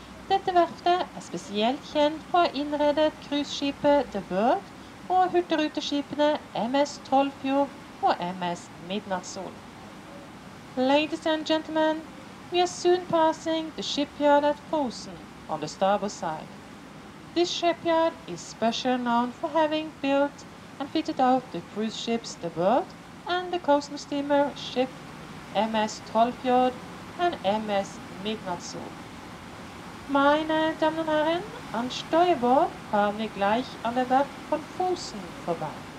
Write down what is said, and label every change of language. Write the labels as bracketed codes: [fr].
[no] Dette verftet er spesielt kjent for å innrede cruiseskipet The World og hurtigruteskipene MS Trollfjord og MS Midnattssol. [en] Ladies and gentlemen, we are soon passing the shipyard at Posen on the starboard side. This shipyard is special known for having built and fitted out the cruise ships The World and the coastal steamer ship MS Trollfjord and MS Midnattssol. [de] Meine Damen und Herren, an Steuerbord fahren wir gleich an der Werft von Posen vorbei.